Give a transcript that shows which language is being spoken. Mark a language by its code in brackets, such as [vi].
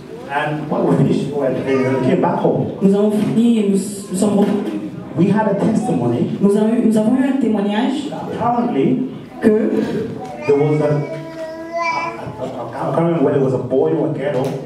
[en] And when we finished, we came back home. [fr] Nous avons fini et nous sommes revenus. [en] We had a testimony. [fr] Nous avons eu un témoignage. [en] Apparently, [fr] que [en] there was a I can't remember whether it was a boy or a girl.